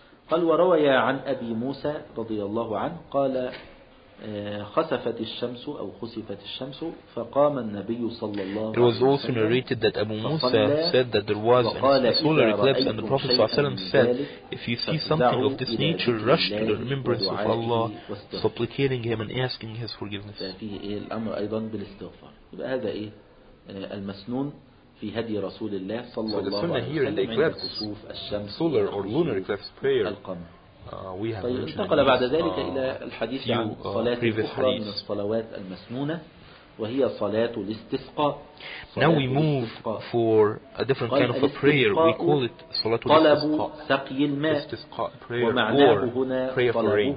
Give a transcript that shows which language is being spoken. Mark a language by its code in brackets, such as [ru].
[ar] قال وروي عن أبي موسى رضي الله عنه قال خسفت الشمس أو خسفت الشمس فقام النبي صلى الله عليه وسلم. [en] It was also narrated that Abu Musa said that there was a solar eclipse and the Prophet صلى الله عليه وسلم said if you see something of this nature rush to the remembrance of Allah supplicating him and asking his forgiveness. [ar] فيه إيه الأمر أيضا بالاستغفار. يبقى هذا إيه المسنون في هدي رسول الله صلى الله عليه وسلم. [en] So the sunnah here in the eclipse, الشمس, solar or lunar eclipse prayer, we have [ar] طيب [en] mentioned. [ar] انتقل بعد ذلك إلى الحديث عن صلاة أخرى من الصلوات المسنونة وهي صلاة الاستسقاء. [en] Now we move for a different kind of a prayer. We call it صلاة الاستسقاء. [ar] طلب سقي الماء. [en] استسقاء prayer or prayer for rain.